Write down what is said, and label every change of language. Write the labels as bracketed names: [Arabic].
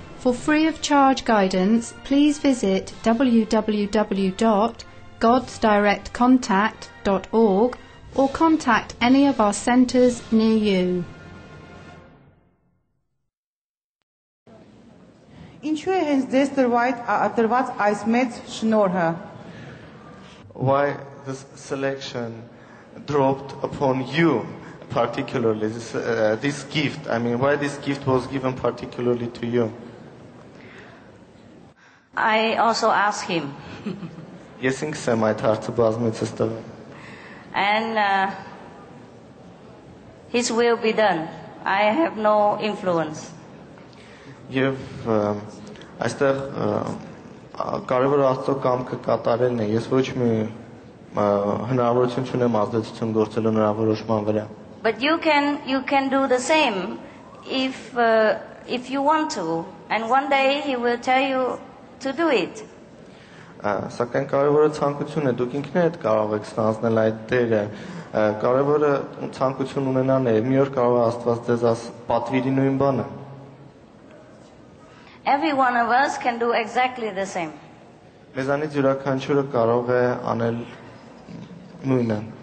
[English] For free of charge guidance, please visit www.godsdirectcontact.org or contact any of our centers near you. [Armenian] Ինչու է հենց ձեզ տրված այս մեծ շնորհը? [English] Why this selection dropped upon you particularly, this gift? I mean, why this gift was given particularly to you? I also asked him. [Armenian] Ես ինքս եմ այդ հարցը բազմեցս տվել. [English] And his will be done. I have no influence. [Armenian] Եվ այստեղ կարևոր աստծո կամքը կատարելն է, ես ոչ մի հնարավորություն չունեմ ազդեցություն գործելու նրա որոշման վրա։ [English] But you can do the same if you want to, and one day he will tell you to do it. [Armenian] Սակայն կարևորը ցանկությունն է, դուք ինքներդ կարող եք ստանձնել այդ դերը։ Կարևորը ցանկություն ունենալն է, մի օր կարող է Աստված ձեզ պատվիրի նույն բանը։ [English] Every one of us can do exactly the same. [Armenian] Մեզանից յուրաքանչյուրը կարող է անել նույնը։